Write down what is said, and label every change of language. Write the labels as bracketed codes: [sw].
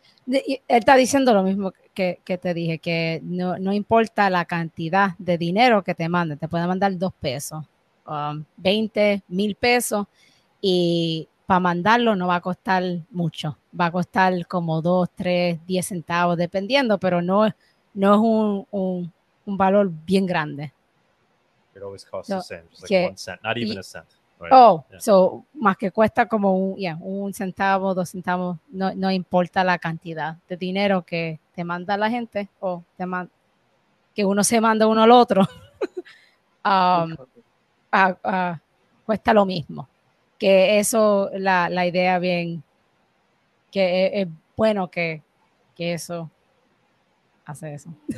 [es] Él está diciendo lo mismo que te dije, que no importa la cantidad de dinero que te manden, te puede mandar 2 pesos. 20,000 pesos y para mandarlo no va a costar mucho, va a costar como 2, 3, 10 centavos dependiendo, pero no es un valor bien grande. [en] It always costs the same, just like 1 cent, not even a cent. Right? Oh, yeah. [es] So más que cuesta como un centavo, 2 centavos, no importa la cantidad de dinero que te manda la gente o que uno se manda uno al otro. cuesta lo mismo, que eso la idea bien, que es bueno que eso hace eso.